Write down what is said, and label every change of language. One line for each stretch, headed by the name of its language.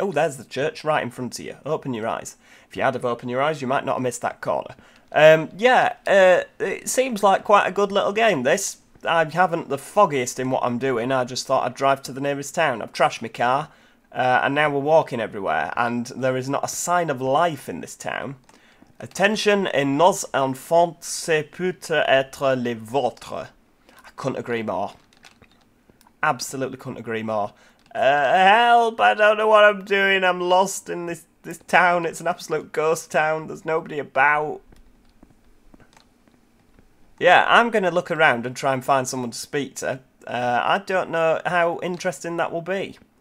English: Oh, there's the church right in front of you. Open your eyes. If you had have opened your eyes, you might not have missed that corner. It seems like quite a good little game, this. I haven't the foggiest in what I'm doing. I just thought I'd drive to the nearest town. I've trashed my car, and now we're walking everywhere, and there is not a sign of life in this town.
French: Attention, et nos enfants, c'est peut-être être les vôtres.
English: I couldn't agree more. Absolutely couldn't agree more. Help, I don't know what I'm doing. I'm lost in this town. It's an absolute ghost town. There's nobody about. Yeah, I'm going to look around and try and find someone to speak to. I don't know how interesting that will be.